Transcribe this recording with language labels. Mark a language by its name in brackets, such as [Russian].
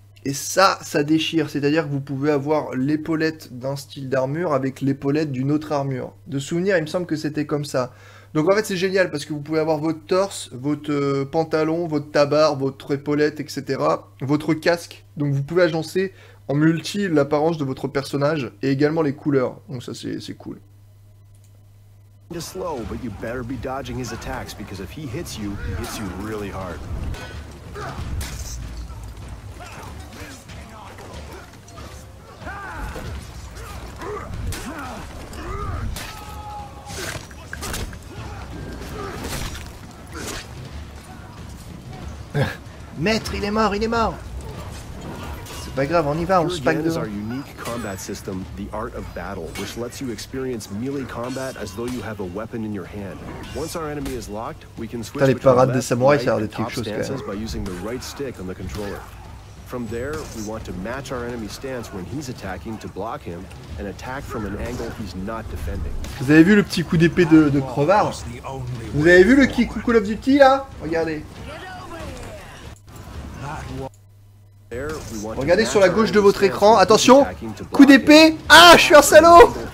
[French] Et ça déchire. C'est-à-dire que vous pouvez avoir l'épaulette d'un style d'armure avec l'épaulette d'une autre armure. De souvenir, il me semble que c'était comme ça. Donc en fait, c'est génial parce que vous pouvez avoir votre torse, votre pantalon, votre tabard, votre épaulette, etc. Votre casque. Donc vous pouvez agencer en multi l'apparence de votre personnage et également les couleurs. Donc ça, c'est cool. [English] Slow, but you better be dodging his attacks because if he hits you, he hits you really hard. [French] Maître, il est mort, il est mort. C'est pas grave, on y va, on se bagarre. [English] Combat system, the art of battle, which lets you experience melee combat as though you have a weapon in your hand. Once our enemy is locked, we can switch [French] les parades des samouraïs, ça a l'air quelque chose quand même. [English] By using the right stick on the controller. From there, we want to match our enemy stance when he's attacking to block him and attack from an angle he's not defending. [French] Vous avez vu le petit coup d'épée de crevard? Vous avez vu le kick Call of Duty là? Regardez. Regardez sur la gauche de votre écran, attention, coup d'épée, ah, je suis un salaud.